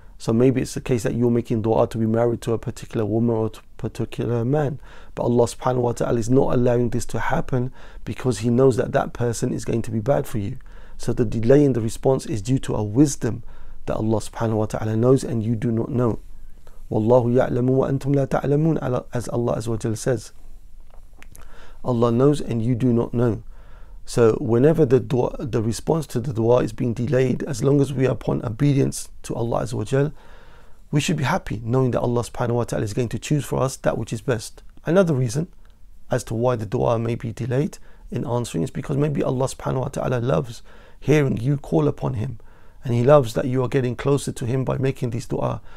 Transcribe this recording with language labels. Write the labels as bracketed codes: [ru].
[en] So maybe it's the case that you're making dua to be married to a particular woman or to a particular man, but Allah subhanahu wa ta'ala is not allowing this to happen because he knows that that person is going to be bad for you. So the delay in the response is due to a wisdom that Allah subhanahu wa ta'ala knows and you do not know. [ar] وَاللَّهُ يَعْلَمُ وَأَنْتُمْ لَا تَعْلَمُونَ, [en] as Allah Azawajal says. Allah knows and you do not know. So whenever the dua, the response to the dua is being delayed, as long as we are upon obedience to Allah Azawajal, we should be happy knowing that Allah subhanahu wa ta'ala is going to choose for us that which is best. Another reason as to why the dua may be delayed in answering is because maybe Allah subhanahu wa ta'ala loves hearing you call upon him, and he loves that you are getting closer to him by making this dua.